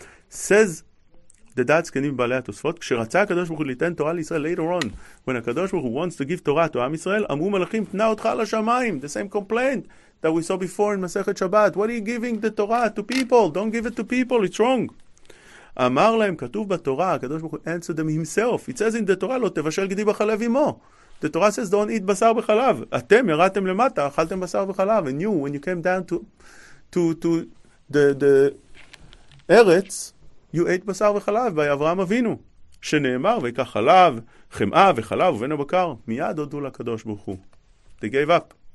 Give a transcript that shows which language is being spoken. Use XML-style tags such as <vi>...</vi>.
<en>Says the Da'at Zekenim Yibalei HaTosfot,</en> <he>כשרצה הקדוש ברוך הוא ליתן תורה לישראל</he> <en>later on, when הקדוש ברוך הוא wants to give Torah to Am Yisrael,</en> <he>אמרו מלאכים, תנה אותך לשמיים.</he> <en>The same complaint that we saw before in Masechet Shabbat. What are you giving the Torah to people? Don't give it to people, it's wrong.</en> <he>אמר להם, כתוב בתורה, הקדוש ברוך הוא</he> <en>answered them himself. It says in the Torah,</en> <he>לא תבשל גדי בחלב עמו.</he> <en>The Torah says, don't eat basar בחלב.</en> <he>אתם ירדתם למטה, אכלתם בשר בחלב.</he> <en>And you, when you came down to the ארץ, you ate basar וחלב, by Avraham Avinu,</en> <he>שנאמר, ויקח חלב, חמאה וחלב, ובן הבקר, מיד הודו לקדוש ברוך הוא.</he> <en>They gave up.</en>